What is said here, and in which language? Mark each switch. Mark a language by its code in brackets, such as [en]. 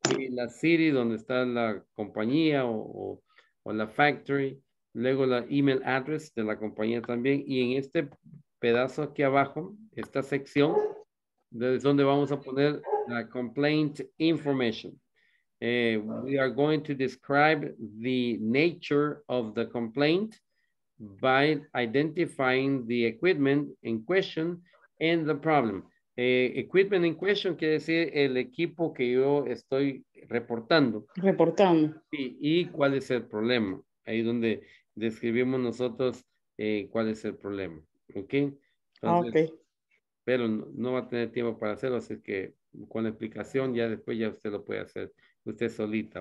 [es] La city donde está la compañía o la factory, luego la email address de la compañía también, y en este pedazo aquí abajo, esta sección, es donde vamos a poner la complaint information. [en] We are going to describe the nature of the complaint by identifying the equipment in question and the problem. Equipment in question [es] quiere decir el equipo que yo estoy reportando. Sí, y cuál es el problema, ahí donde describimos nosotros cuál es el problema, ok. Entonces, ok, pero no va a tener tiempo para hacerlo, así que con la explicación ya después ya usted lo puede hacer usted solita,